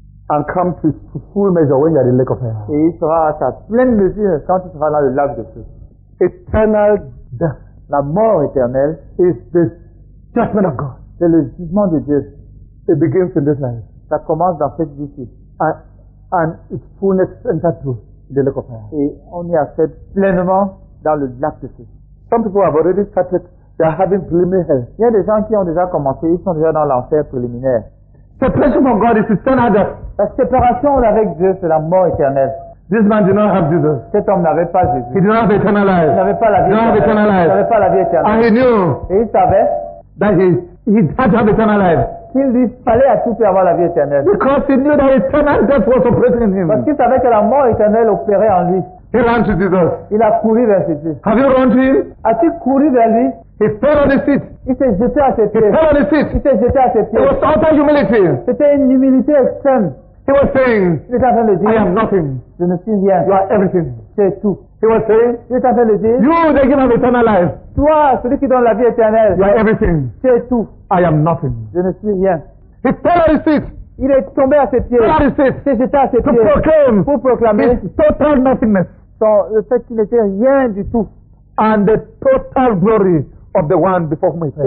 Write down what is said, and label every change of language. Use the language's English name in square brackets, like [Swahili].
[English] And come to its full measure when you are in the lake of fire. [French] Et il sera à sa pleine mesure quand tu seras dans le lac de feu. [English] Eternal death, [French] la mort éternelle, [English] is the judgment of God. [French] C'est le jugement de Dieu. [English] It begins in this life. [French] Ça commence dans cette vie-ci. [English] And its fullness enters through the lake of fire. [French] Et on y accède pleinement dans le lac de feu. [English] Some people have already started They are having preliminary. [French] Il y a des gens qui ont déjà commencé, ils sont déjà dans l'enfer préliminaire. [English] Separation from God is eternal death. [French] La séparation avec Dieu, c'est la mort éternelle. [English] This man did not have Jesus. [French] Cet homme n'avait pas Jésus. [English] He did not have eternal life. [French] Il n'avait pas la vie éternelle. Il n'avait pas la vie éternelle. [English] And he knew. [French] Et il savait. [English] That he had to have eternal life. [French] Qu'il lui fallait à tout prix avoir la vie éternelle. [English] Because he knew that eternal death was operating in him. [French] Parce qu'il savait que la mort éternelle opérait en lui. [English] He ran to Jesus. [French] Il a couru vers Jésus. [English] Have you run to him? [French] As-tu couru vers lui? [English] He fell on his feet. [French] Il s'est jeté à ses pieds. [English] He fell on his feet. [French] Il s'est jeté à ses pieds. [English] It was total humility. [French] C'était une humilité extrême. [English] He was saying, [French] il était en train de dire, [English] I am nothing. [French] Je ne suis rien. [English] You are everything. [French] Tu es tout. [English] He was saying, [French] il était en train de dire, [English] you, the giver of eternal life. [French] Toi, celui qui donne la vie éternelle. [English] You are everything. [French] Tu es tout. [English] I am nothing. [French] Je ne suis rien. [English] He fell on his feet. [French] Il est tombé à ses pieds. [English] Fell on his feet. [French] Il s'est jeté à ses [English] to [French] pieds. [English] Proclaim [French] pour proclamer [English] his total nothingness. [French] Donc, le fait qu'il n'était rien du tout. [English] And the total glory of the one before whom he fell.